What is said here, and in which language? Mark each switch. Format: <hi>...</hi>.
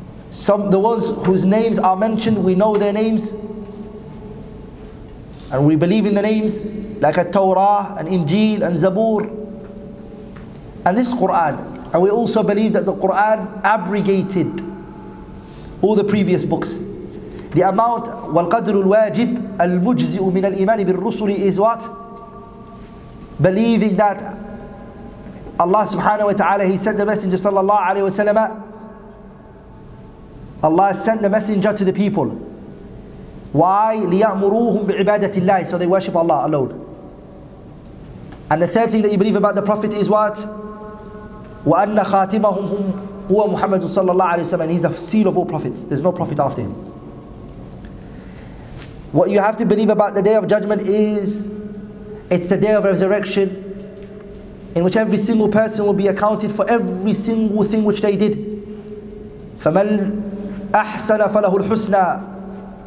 <en>Some, the ones whose names are mentioned, we know their names and we believe in the names, like At-Tawrah and Injil and Zabur and this Quran. And we also believe that the Quran abrogated all the previous books. The amount,</en> <ar>والقدر الواجب المجزئ من الإيمان بالرسل,</ar> <en>is what? Believing that Allah subhanahu wa ta'ala, He sent the Messenger sallallahu alayhi wa sallam. Allah sent the Messenger to the people. Why?</en> <ar>ليأمروهم بعبادة الله,</ar> <en>so they worship Allah alone. And the third thing that you believe about the Prophet is what?</en> <ar>وأن خاتمهم هو محمد صلى الله عليه وسلم.</ar> <en>He's a seal of all prophets. There's no prophet after him. What you have to believe about the Day of Judgment is, it's the Day of Resurrection, in which every single person will be accounted for every single thing which they did.</en> <ar>فَمَنْ أَحْسَنَ فَلَهُ الْحُسْنَى.</ar>